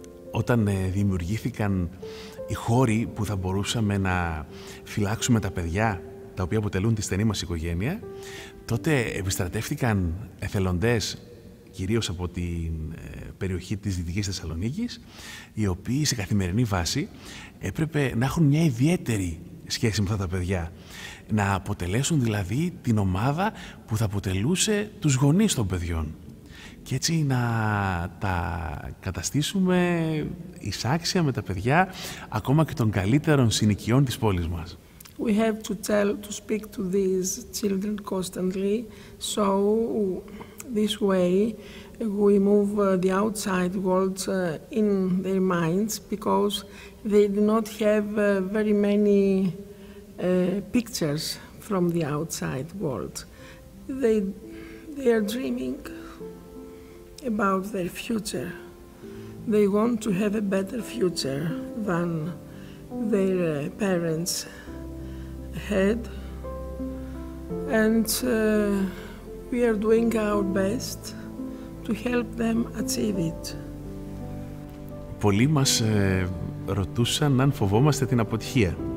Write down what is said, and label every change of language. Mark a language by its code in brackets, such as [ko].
[el] Όταν δημιουργήθηκαν οι χώροι που θα μπορούσαμε να φυλάξουμε τα παιδιά, τα οποία αποτελούν τη στενή μας οικογένεια, τότε επιστρατεύτηκαν εθελοντές, κυρίως από την περιοχή της Δυτικής Θεσσαλονίκης, οι οποίοι σε καθημερινή βάση έπρεπε να έχουν μια ιδιαίτερη σχέση με αυτά τα παιδιά. Να αποτελέσουν δηλαδή την ομάδα που θα αποτελούσε τους γονείς των παιδιών. Και έτσι να τα καταστήσουμε ισάξια με τα παιδιά, ακόμα και των καλύτερων συνοικιών της πόλης μας. [en] We have to tell to speak to these children constantly, so this way we move the outside world in their minds, because they do not have very many pictures from the outside world. They are dreaming about their future. They want to have a better future than their parents had, and we are doing our best to help them achieve it. [el] Πολλοί μας ρωτούσαν αν φοβόμαστε την αποτυχία.